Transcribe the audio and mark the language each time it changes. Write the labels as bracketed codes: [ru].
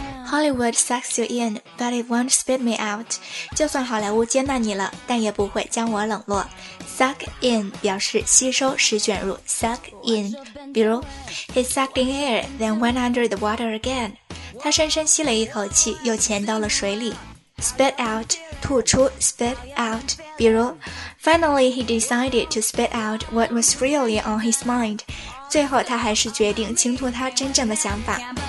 [en] Hollywood sucks you in, but it won't spit me out. [zh] 就算好莱坞接纳你了，但也不会将我冷落。 Suck in 表示吸收时卷入。 [en] Suck in 比如 He sucked in air, then went under the water again. [zh] 他深深吸了一口气，又潜到了水里。 Spit out 吐出。 [en] Spit out 比如 Finally he decided to spit out what was really on his mind. [zh] 最后他还是决定倾吐他真正的想法。